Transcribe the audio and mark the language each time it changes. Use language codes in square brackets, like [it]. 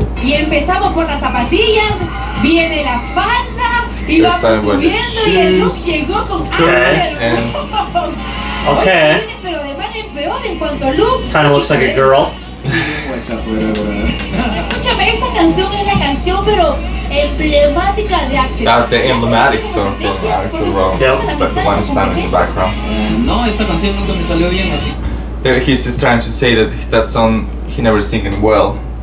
[es] Y empezamos con las zapatillas, viene la falda, y vamos subiendo, y el look llegó con Axl Rose. Pero de mal en peor en cuanto a look. [en] Kind of looks like a girl. [es] Escúchame, esta canción es la canción, pero emblemática de Axl. [en] That's the emblematic song for Axl Rose, but the one standing in the background. [es] No, esta canción nunca me salió bien así. [en] There he's just trying to say that that song he never singing well.